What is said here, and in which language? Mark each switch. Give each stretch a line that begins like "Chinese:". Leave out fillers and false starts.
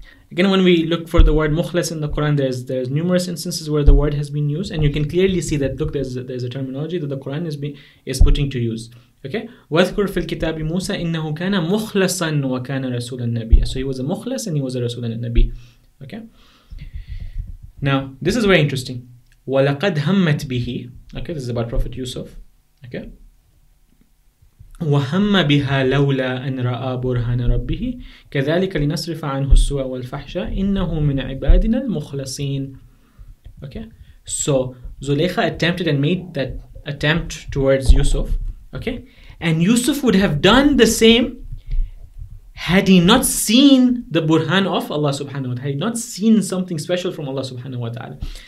English: Again, when we look for the word mukhlas in the Quran, there's numerous instances where the word has been used, and you can clearly see that, look, there's a terminology that the Quran is putting to use. Okay?
Arabic: وَذْكُرْ فِي الْكِتَابِ مُوسَى إِنَّهُ كَانَ مُخْلَصًا وَكَانَ رَسُولًا نَبِيًّا.
English: So he was a mukhlas and he was a rasul and a nabi. Okay? Now, this is very interesting.
Arabic: وَلَقَدْ هَمَّتْ بِهِ,
English: okay, this is about Prophet Yusuf, okay,
Arabic: وَهَمَّ بِهَا لَوْلَا أَنْ رَآ بُرْهَانَ رَبِّهِ كَذَلِكَ لِنَصْرِفَ عَنْهُ السُّوءَ وَالْفَحْشَ إِنَّهُ مِنْ عِبَادِنَا الْمُخْلَصِينَ.
English: Okay, so Zulaykha attempted and made that attempt towards Yusuf, okay, and Yusuf would have done the same had he not seen the burhan of Allah subhanahu wa ta'ala, had he not seen something special from Allah subhanahu wa ta'ala.